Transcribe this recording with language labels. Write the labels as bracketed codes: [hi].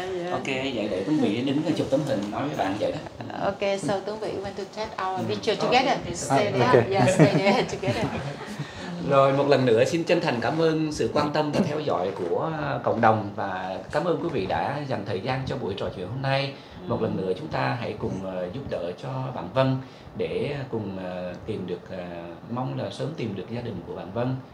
[vi] Ok, vậy để Tuấn Vĩ đứng và chụp tấm hình nói với bạn vậy đó. [en] Ok, so Tuấn Vĩ went to chat our video together. Stay there. Okay. Yeah, stay there together. [vi] Rồi một lần nữa xin chân thành cảm ơn sự quan tâm và theo dõi của cộng đồng, và cảm ơn quý vị đã dành thời gian cho buổi trò chuyện hôm nay. Một lần nữa chúng ta hãy cùng giúp đỡ cho bạn Vân để cùng tìm được, mong là sớm tìm được gia đình của bạn Vân.